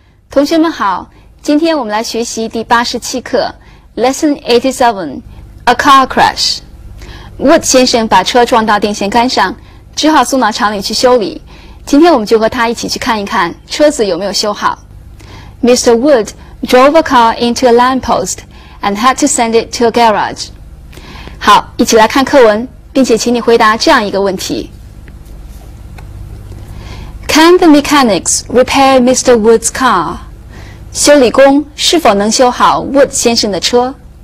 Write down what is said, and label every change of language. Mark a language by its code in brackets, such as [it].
[zh] 同学们好，今天我们来学习第87课 [en] Lesson 87 A Car Crash。 [zh] Wood 先生把车撞到电线杆上，只好送到厂里去修理。今天我们就和他一起去看一看车子有没有修好。 [en] Mr. Wood drove a car into a lamppost and had to send it to a garage。 [zh] 好，一起来看课文，并且请你回答这样一个问题。 [en] Can the mechanics repair Mr. Wood's car? [zh] 修理工是否能修好 Wood 先生的车？